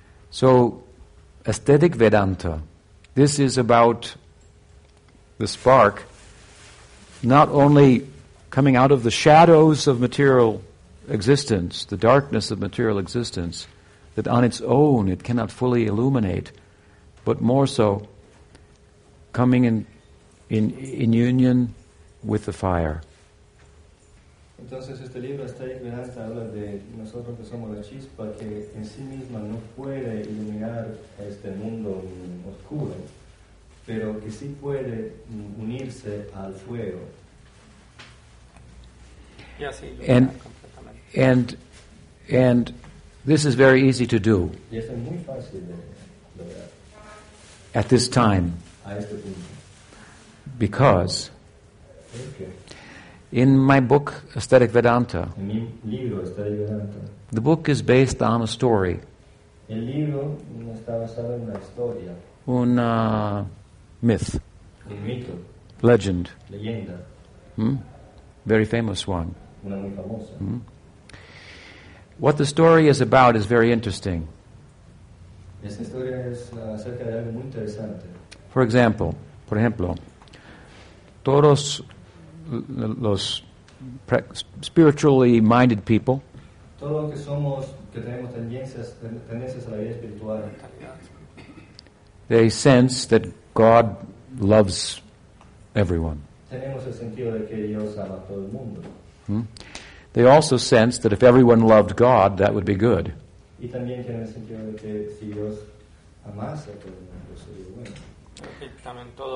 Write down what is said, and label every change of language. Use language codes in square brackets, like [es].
[en] So, aesthetic Vedanta, this is about the spark not only coming out of the shadows of material existence, the darkness of material existence, that on its own it cannot fully illuminate, but more so coming in union with the fire. [es] Entonces este libro está esperando habla de nosotros que somos la chispa que en sí misma no puede iluminar este mundo oscuro, pero que sí puede unirse al fuego. [en] And this is very easy to do. [es] Y es muy fácil de [en] at this time. [es] A este punto. [en] Because okay. In my book Aesthetic Vedanta, [es] en mi libro, Aesthetic Vedanta, [en] the book is based on a story. [es] El libro está basado en una historia. Un myth. Un mito. [en] Legend. [es] Leyenda. [en] Very famous one. [es] Una muy famosa. [en] What the story is about is very interesting. [es] Esta historia es acerca de algo muy interesante. Por ejemplo, todos los [en] spiritually minded people, [es] todos que somos, que tenemos tendencias a la vida espiritual, [en] they sense that God loves everyone. [es] Tenemos el sentido de que Dios ama a todo el mundo. [en] They also sense that if everyone loved God, that would be good. [es] Y también tienen el sentido de que si Dios amase a todo el mundo, sería bueno.